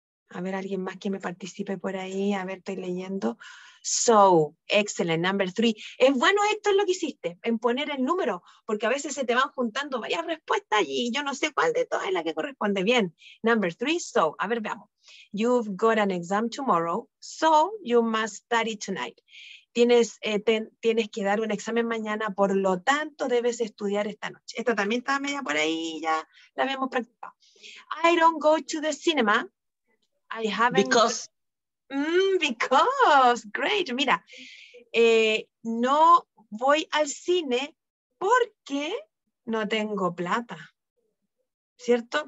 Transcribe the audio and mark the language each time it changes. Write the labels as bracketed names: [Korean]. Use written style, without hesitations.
[Spanish] A ver, alguien más que me participe por ahí. A ver, estoy leyendo. [English] So, excellent, number three. [Spanish] Es bueno esto lo que hiciste, en poner el número, porque a veces se te van juntando varias respuestas y yo no sé cuál de todas es la que corresponde. Bien, [English] number three, [Spanish] so, a ver, veamos. [English] You've got an exam tomorrow, so you must study tonight. [Spanish] Tienes que dar un examen mañana, por lo tanto debes estudiar esta noche. Esta también está media por ahí, ya la habíamos practicado. [English] I don't go to the cinema. I haven't. Because, [Spanish] great, mira, no voy al cine porque no tengo plata, ¿cierto?